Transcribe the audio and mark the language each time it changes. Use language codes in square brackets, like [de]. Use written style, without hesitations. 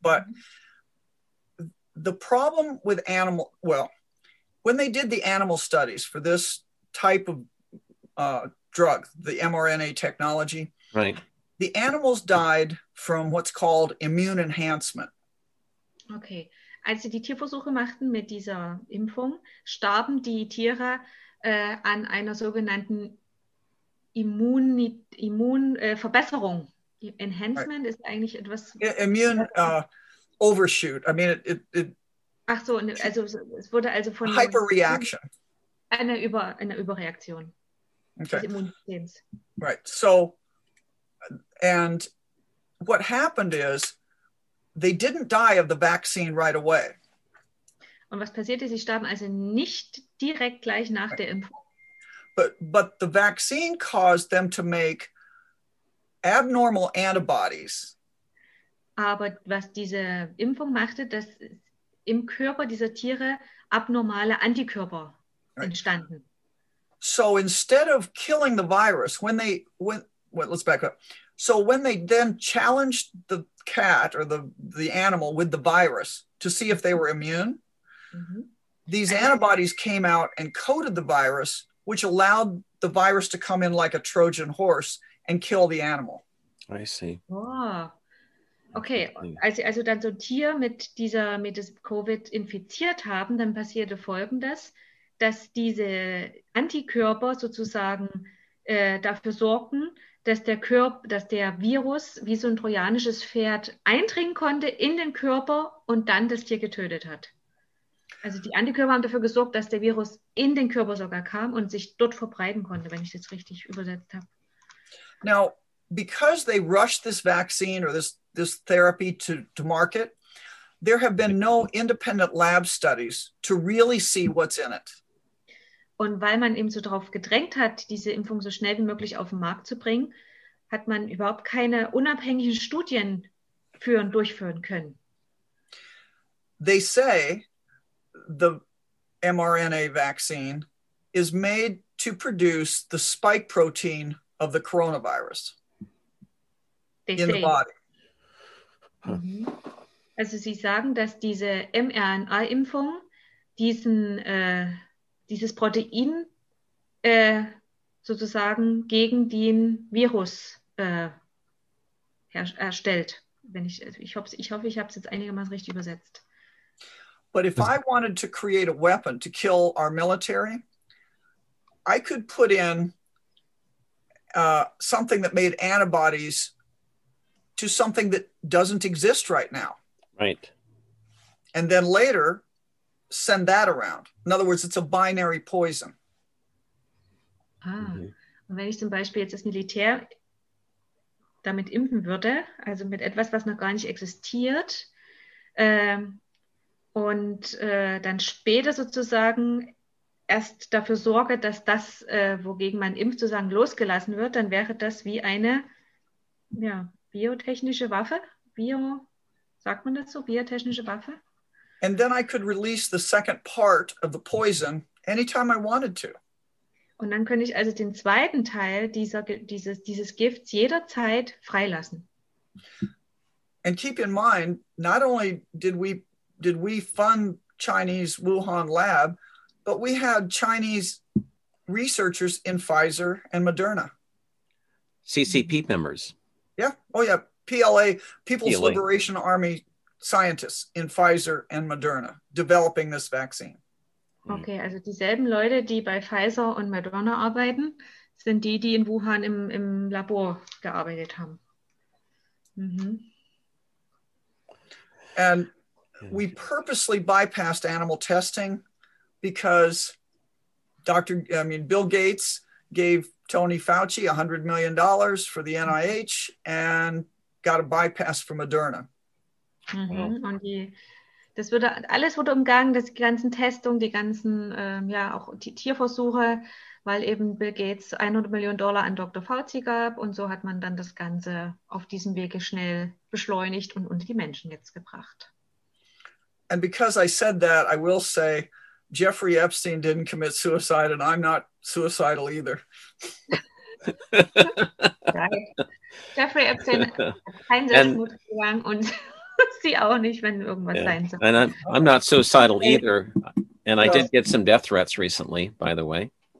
[en] But the problem with animal, well, when they did the animal studies for this type of drug, the mRNA technology, right, the animals died from what's called immune enhancement. Okay. [de] Als sie die Tierversuche machten mit dieser Impfung, starben die Tiere an einer sogenannten Immunverbesserung. [en] Enhancement right. [de] ist eigentlich etwas... [en] Immune overshoot. I mean, it... [de] Ach so, also es wurde also von... [en] Hyperreaction. [de] Eine Überreaktion. [en] Okay. [de] Des Immunsystems. [en] Right, so... And what happened is, they didn't die of the vaccine right away. [de] Und was passierte? Sie starben also nicht direkt gleich nach right. der Impfung. [en] But the vaccine caused them to make abnormal antibodies. [de] Aber was diese Impfung machte, dass im Körper dieser Tiere abnormale Antikörper right. entstanden. [en] So instead of killing the virus, let's back up. So when they then challenged the cat or the animal with the virus to see if they were immune, these antibodies came out and coated the virus, which allowed the virus to come in like a Trojan horse and kill the animal. I see. Oh. [de] Okay, als sie also dann so ein Tier mit Covid infiziert haben, dann passierte Folgendes, dass diese Antikörper sozusagen dafür sorgten, dass der Virus wie so ein trojanisches Pferd eindringen konnte in den Körper und dann das Tier getötet hat. Also die Antikörper haben dafür gesorgt, dass der Virus in den Körper sogar kam und sich dort verbreiten konnte, wenn ich das richtig übersetzt habe. [en] Now, because they rushed this vaccine or this therapy to market, there have been no independent lab studies to really see what's in it. [de] Und weil man eben so darauf gedrängt hat, diese Impfung so schnell wie möglich auf den Markt zu bringen, hat man überhaupt keine unabhängigen Studien durchführen können. [en] They say the mRNA vaccine is made to produce the spike protein of the coronavirus in the body. [de] Also sie sagen, dass diese mRNA-Impfung dieses Protein sozusagen gegen den Virus erstellt. Ich habe es jetzt einigermaßen richtig übersetzt. [en] But if I wanted to create a weapon to kill our military, I could put in something that made antibodies to something that doesn't exist right now. Right. And then later send that around. In other words, it's a binary poison. [de] Ah, und wenn ich zum Beispiel jetzt das Militär damit impfen würde, also mit etwas, was noch gar nicht existiert, und dann später sozusagen erst dafür sorge, dass das, wogegen man impft, sozusagen losgelassen wird, dann wäre das wie eine biotechnische Waffe. Sagt man das so? Biotechnische Waffe? [en] And then I could release the second part of the poison anytime I wanted to. [de] Und dann könnte ich also den zweiten Teil dieses Gifts jederzeit freilassen. [en] And keep in mind, not only did we fund Chinese Wuhan lab, but we had Chinese researchers in Pfizer and Moderna. CCP members. Yeah. Oh yeah. PLA, People's Liberation Army. Scientists in Pfizer and Moderna developing this vaccine. [de] Okay, also dieselben Leute, die bei Pfizer und Moderna arbeiten, sind die, die in Wuhan im Labor gearbeitet haben. [en] And we purposely bypassed animal testing because Bill Gates gave Tony Fauci $100 million for the NIH and got a bypass for Moderna. Mm-hmm. [de] Und das wurde alles wurde umgangen, das, die ganzen Testungen, die ganzen ja auch die Tierversuche, weil eben Bill Gates [en] $100 million [de] an Dr. Fauci gab und so hat man dann das Ganze auf diesem Wege schnell beschleunigt und unter die Menschen jetzt gebracht. [en] And because I said that, I will say Jeffrey Epstein didn't commit suicide and I'm not suicidal either. [de] Jeffrey Epstein hat keinen Selbstmord gegangen und sie auch nicht, wenn irgendwas sein soll. [en] And I'm not suicidal either. And I did get some death threats recently, by the way.